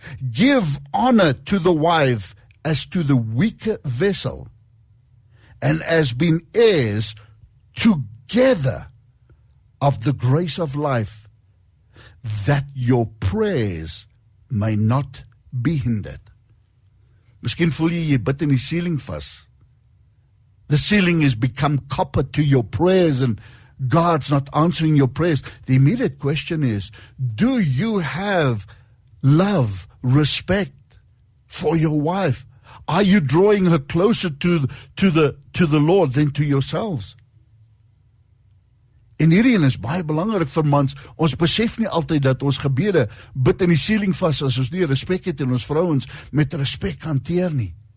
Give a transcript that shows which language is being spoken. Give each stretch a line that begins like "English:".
English: Give honor to the wife as to the weaker vessel, and as being heirs together of the grace of life, that your prayers may not be hindered.
Afrikaans: Miskien voel jy jy bid in die ceiling vas.
English: The ceiling has become copper to your prayers and God's not answering your prayers. The immediate question is, do you have love, respect for your wife? Are you drawing her closer to the Lord than to yourselves?
Afrikaans: En hierdie is baie belangrik vir mans. Ons besef nie altyd dat ons gebede bid in die ceiling vas as ons nie respek het en ons vrouens met respek hanteer nie.